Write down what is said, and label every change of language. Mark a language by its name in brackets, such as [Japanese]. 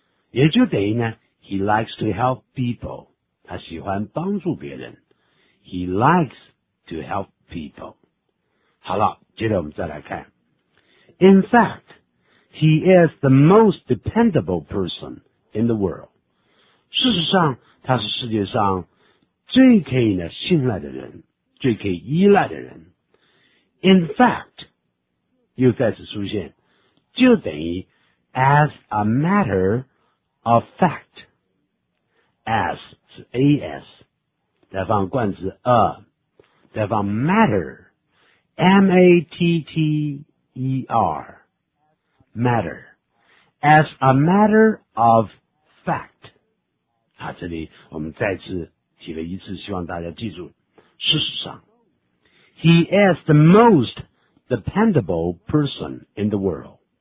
[Chinese] 也就等于呢 , [English] He likes to help people. [Chinese] 他喜欢帮助别人。 [English] He likes to help people. [Chinese] 好了，接着我们再来看。 [English] In fact,He is the most dependable person in the world. [Chinese] 事实上，他是世界上最可以呢信赖的人，最可以依赖的人。 [English] In fact, [Chinese] 又再次出现，就等于 [English] as a matter of fact. [Chinese] As 是 as, 再放冠词 a, 再放 matter, m-a-t-t-e-r. [English] Matter, as a matter of fact. [Chinese] 啊，这里我们再次提了一次，希望大家记住。事实上 [English] ，He is the most dependable person in the world.